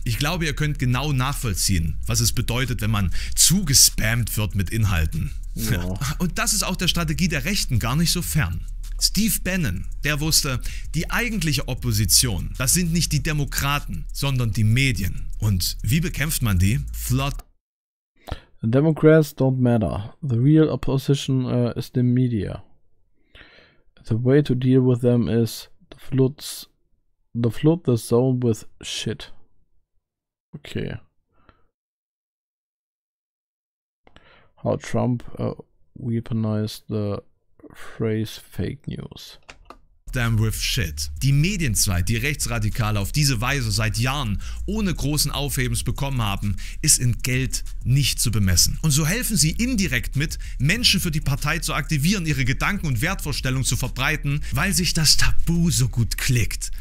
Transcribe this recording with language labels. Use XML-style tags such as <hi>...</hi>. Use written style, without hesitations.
<de>Ich glaube, ihr könnt genau nachvollziehen, was es bedeutet, wenn man zugespammt wird mit Inhalten. Ja. Und das ist auch der Strategie der Rechten gar nicht so fern. Steve Bannon, der wusste, die eigentliche Opposition, das sind nicht die Demokraten, sondern die Medien. Und wie bekämpft man die?</de> <en>Flood. The Democrats don't matter. The real opposition is the media. The way to deal with them is to flood the zone with shit. Okay. How Trump weaponized the phrase fake news. Them with shit.</en> <de>Die Medienzweig, die Rechtsradikale auf diese Weise seit Jahren ohne großen Aufhebens bekommen haben, ist in Geld nicht zu bemessen. Und so helfen sie indirekt mit, Menschen für die Partei zu aktivieren, ihre Gedanken und Wertvorstellungen zu verbreiten, weil sich das Tabu so gut klickt.</de>